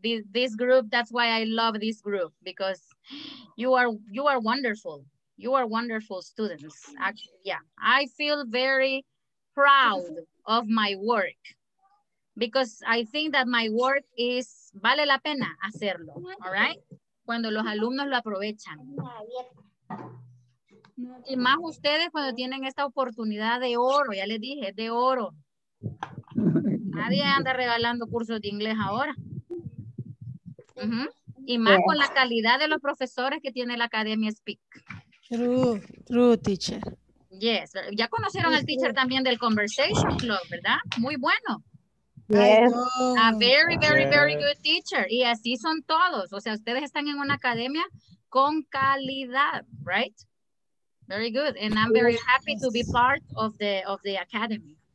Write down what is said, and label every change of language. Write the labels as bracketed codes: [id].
[en] This group, that's why I love this group, because you are wonderful. You are wonderful students. Actually, yeah. I feel very proud of my work because I think that my work is [es] vale la pena hacerlo, [en] all right? [es] Cuando los alumnos lo aprovechan. Y más ustedes cuando tienen esta oportunidad de oro, ya les dije, de oro. Nadie anda regalando cursos de inglés ahora. Uh-huh. Y más con la calidad de los profesores que tiene la Academia Speak. [en] True, teacher. [es] Yes, ya conocieron al teacher también del Conversation Club, ¿verdad? Muy bueno. [en] Yes. A very, very, very good teacher. [es] Y así son todos. O sea, ustedes están en una academia con calidad, right? [en] Very good. And I'm very happy to be part of the academy.